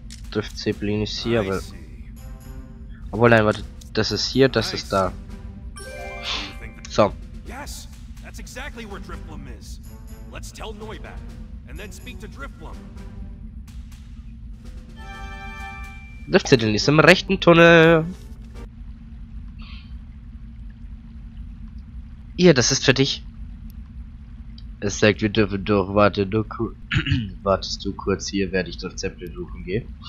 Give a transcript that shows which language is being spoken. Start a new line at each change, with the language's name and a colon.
German: Drift Zeppelin ist hier, aber. Obwohl, nein, warte, das ist hier, das ist da.
English: Yes, that's exactly where Driflim is. Let's tell Noibat and then speak to Driflim.
German: Driftzettel ist im rechten Tunnel. Ja, das ist für dich. Es sagt, wir dürfen durch. Warte, du wartest du kurz hier, werde ich Driftzettel suchen gehen.